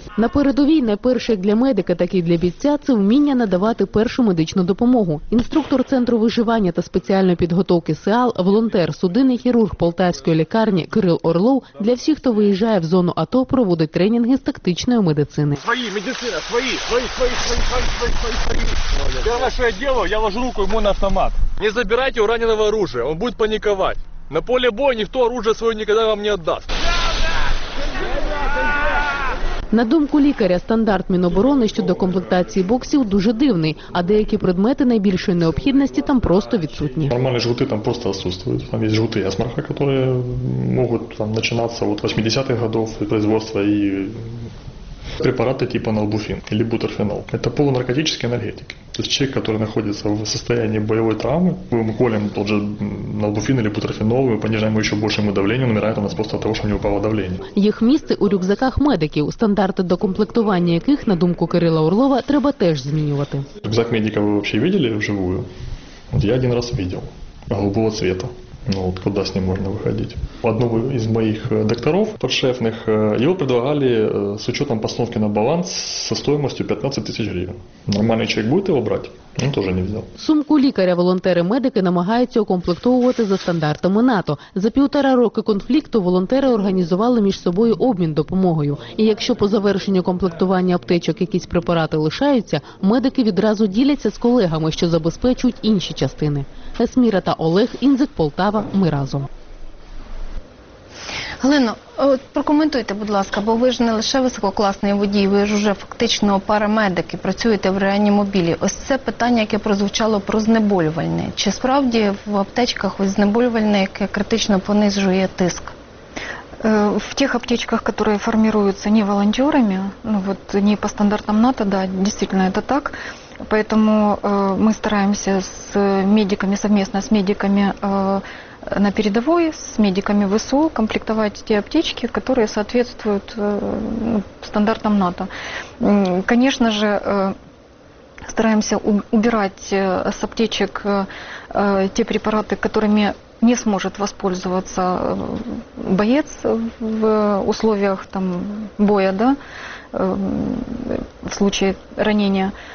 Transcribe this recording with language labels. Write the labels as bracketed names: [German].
[Ukrainian] На передовій не перше для медика, так і для бійця – це вміння надавати першу медичну допомогу. Інструктор Центру виживання та спеціальної підготовки СЕАЛ, волонтер, судинний хірург Полтавської лікарні Кирил Орлов для всіх, хто виїжджає в зону АТО, проводить тренінги з тактичної медицини. Свої, медицина, свої. [Russian] Первое, что я делаю, я ложу руку ему на автомат. Не забирайте у раненого оружие, он будет паниковать. На поле боя никто оружие свое никогда вам не отдаст. [Ukrainian] На думку лікаря, стандарт Міноборони щодо комплектації боксів дуже дивний, а деякі предмети найбільшої необхідності там просто відсутні. Нормальні жгути там просто відсутні. Там є жгути Ясмарка, які можуть там починатися від 80-х років [Russian] производства [Ukrainian] і препарати типу на Албуфін або Бутерфенол. Це полунаркотичні енергетики. [Russian] То есть человек, который находится в состоянии боевой травмы, мы колем тот же налбуфин или бутерфенол, мы понижаем ему еще больше давление, он умирает у нас просто от того, что у него упало давление. [Ukrainian] Їх місце у рюкзаках медиків, стандарти докомплектування яких, на думку Кирила Орлова, треба теж змінювати. Рюкзак медика ви взагалі бачили вживую? Я один раз бачив. Голубого цвіту. [Russian] Ну вот куда с ним можно выходить? У одного из моих докторов, подшефных, его предлагали с учетом постановки на баланс со стоимостью 15 тысяч гривен. Нормальный человек будет его брать? Ну, тоже не взял. [Ukrainian] Сумку лікаря волонтери-медики намагаються укомплектовувати за стандартами НАТО. За півтора роки конфлікту волонтери організували між собою обмін допомогою. І якщо по завершенню комплектування аптечок якісь препарати лишаються, медики відразу діляться з колегами, що забезпечують інші частини. Есміра та Олег, Інзик, Полтава, ми разом. Галино, от прокоментуйте, будь ласка, бо ви ж не лише висококласний водій, ви ж уже фактично парамедик і працюєте в реанімобілі. Ось це питання, яке прозвучало про знеболювальне. Чи справді в аптечках ось знеболювальне, яке критично понижує тиск? В тих аптечках, які формуються не волонтерами, ну от не по стандартам НАТО, да, дійсно, це так. [Russian] Поэтому мы стараемся с медиками, совместно с медиками на передовой, с медиками ВСУ комплектовать те аптечки, которые соответствуют стандартам НАТО. Конечно же, стараемся убирать с аптечек те препараты, которыми не сможет воспользоваться боец в условиях там, боя, да, в случае ранения.